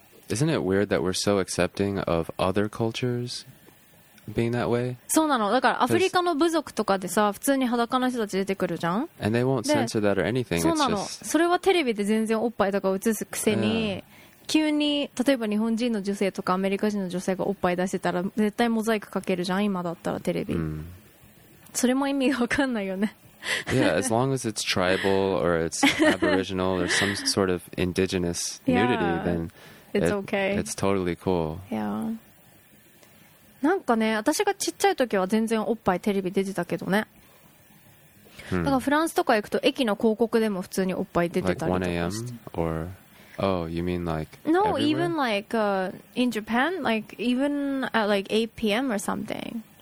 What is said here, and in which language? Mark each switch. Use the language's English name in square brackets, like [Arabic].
[English] Isn't it weird that we're so accepting of other cultures being that way? [Japanese] そうなの。だからアフリカの部族とかでさ、普通に裸の人たち出てくるじゃん。 [English] And they won't censor that or anything. [Japanese] そうなの。 [English] It's just... [Japanese] それはテレビで全然おっぱいとか映すくせに、急に例えば日本人の女性とかアメリカ人の女性がおっぱい出してたら絶対モザイクかけるじゃん、今だったらテレビ。 Mm. それも意味がわかんないよね。 [English] Yeah, as long as it's tribal or it's aboriginal or some sort of indigenous nudity, yeah. then... It's okay. It's totally cool. Yeah. [Japanese] なんかね、私がちっちゃい時は全然おっぱいテレビ出てたけどね。 Hmm. だからフランスとか行くと駅の広告でも普通におっぱい出てたりとかして。 [English] Like 1 a.m. or oh, you mean like no,、 everywhere? Even like、in Japan, like even at like 8 p.m. or something.